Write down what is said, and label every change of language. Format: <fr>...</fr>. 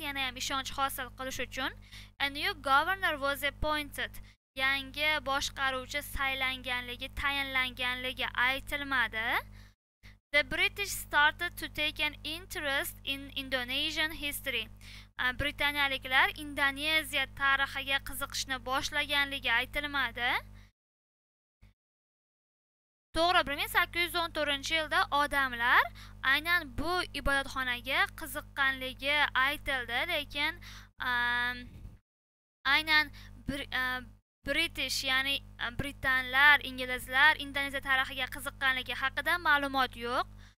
<uz>Yana ham ishonch hosil qilish uchun</uz> <en>a new governor was appointed.</en> <uz>Yangi boshqaruvchi saylanganligi, tayinlanganligi aytilmadi.</uz> <en>The British started to take an interest in Indonesian history.</en> <uz>Britaniyaliklar Indoneziya tarixiga qiziqishni boshlaganligi aytilmadi. To'g'ri, 1814-yilda odamlar aynan bu ibodatxonaga qiziqqanligi aytildi, lekin aynan British, ya'ni britanlar, inglizlar Indoneziya tarixiga qiziqqanligi haqida ma'lumot yo'q.</uz>